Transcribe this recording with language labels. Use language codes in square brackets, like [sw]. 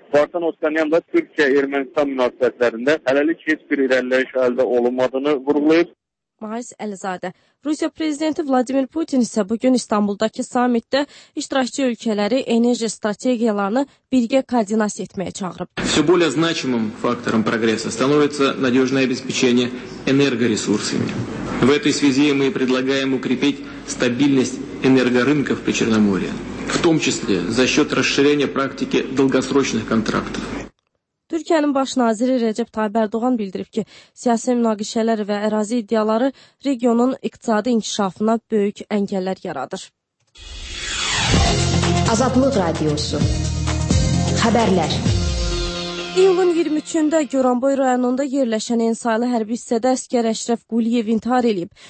[az] Vartan Oskanyan da Türkiyə-Ermənistan münasibətlərində hələlik heç bir irəliləyiş əldə olunmadığını vurğulayıb. Mais Əlizadə. Rusiya Prezidenti Vladimir Putin isə bugün İstanbuldakı samitdə iştirakçı ölkələri enerji strategiyalarını birgə koordinasiya etməyə çağırıb. [ru] Всё более значимым фактором прогресса становится надёжное обеспечение энергоресурсами. В этой связи мы предлагаем укрепить стабильность энергорынков при Черноморье. В том числе за счет расширения практики долгосрочных контрактов. [az] Türkiyənin baş naziri Recep Tayyip Erdoğan bildirib ki, siyasi münaqişələr və ərazi iddiaları regionun iqtisadi inkişafına böyük əngəllər yaradır. Azadlıq Radiosu. Xəbərlər. İyulun 23-də Goranboy rayonunda yerləşən ensaylı hərbi hissədə əskər Əşrəf Quliyev intihar eləyib.